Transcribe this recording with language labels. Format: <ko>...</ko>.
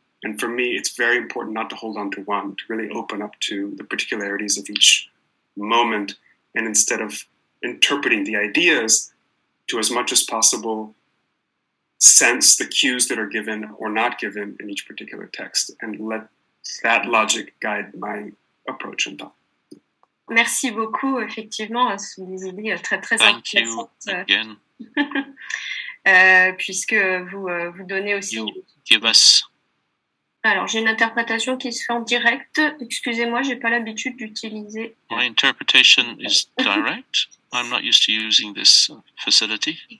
<en>And for me, it's very important not to hold on to one, to really open up to the particularities of each moment. And instead of interpreting the ideas, to as much as possible sense the cues that are given or not given in each particular text, and let that logic guide my approach and thought.</en> <fr>Merci beaucoup, effectivement, sous des idées très, très</fr> <en>Thank intéressantes. Thank you again.</en> <fr>puisque vous donnez aussi...</fr> <en>You give us...</en> <fr>Alors, j'ai une interprétation qui se fait en direct. Excusez-moi, je n'ai pas l'habitude d'utiliser...</fr> <en>My interpretation is direct. I'm not used to using this facility.</en>